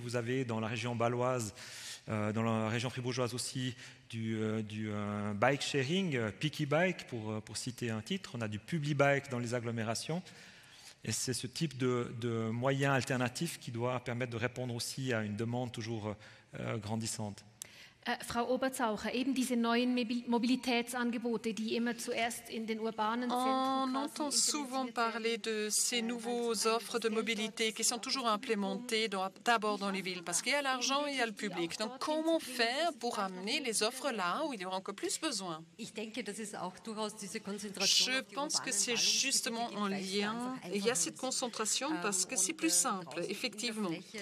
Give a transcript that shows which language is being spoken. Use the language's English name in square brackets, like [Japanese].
[French] Vous avez dans la région baloise, dans la région fribourgeoise aussi, du bike sharing, Peaky Bike pour citer un titre. On a du Publibike dans les agglomérations. Et c'est ce type de moyen alternatif qui doit permettre de répondre aussi à une demande toujours grandissante. [German] Frau Oberzaucher, eben diese neuen Mobilitätsangebote, die immer zuerst in den urbanen Zentren. [French] On entend souvent parler de ces nouveaux offres de mobilité qui sont toujours implémentées d'abord dans les villes, parce qu'il y a l'argent et il y a le public. Donc comment faire pour amener les offres là où il y aura encore plus besoin? Je pense que c'est justement en lien, et il y a cette concentration parce que c'est plus simple, effectivement.